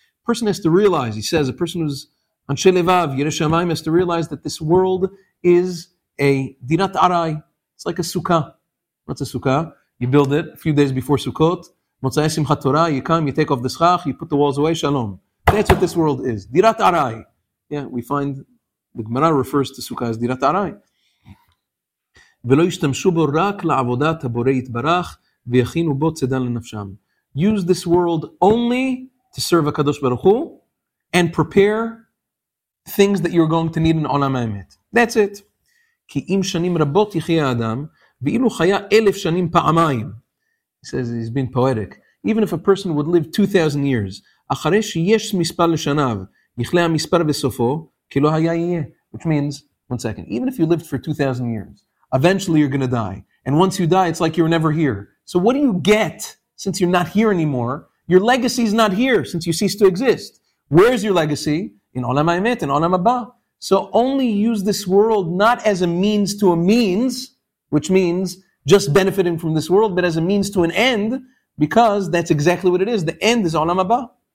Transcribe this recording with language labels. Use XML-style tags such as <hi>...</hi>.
<en>Person has to realize, he says, a person who's on Shelevav, Yireh Shamayim, has to realize that this world is a Dirat Arai. It's like a Sukkah. What's a Sukkah? You build it a few days before Sukkot. Motzai Simchat Torah, you come, you take off the Schach, you put the walls away, Shalom. That's what this world is. Dirat Arai. Yeah, we find the Gemara refers to Sukkah as Dirat Arai.</en> <he>ולא ישתמשו בו רק לעבודת הבורא יתברך ויכינו בו צדן לנפשם.</he> <en>Use this world only to serve HaKadosh Baruch Hu and prepare things that you're going to need in עולם האמת. That's it.</en> <he>כי אם שנים רבות יחיה האדם ואילו חיה אלף שנים פעמיים.</he> <en>He says he's been poetic. Even if a person would live 2,000 years,</en> <he>אחרי שיש מספר לשניו, יחלה המספר בסופו, כי לא היה יהיה.</he> <en>Which means, one second, even if you lived for 2,000 years, eventually you're going to die. And once you die, it's like you're never here. So what do you get since you're not here anymore? Your legacy is not here since you cease to exist. Where is your legacy? In Olam HaEmet, in Olam HaBa. So only use this world not as a means to a means, which means just benefiting from this world, but as a means to an end, because that's exactly what it is. The end is Olam HaBa.</en>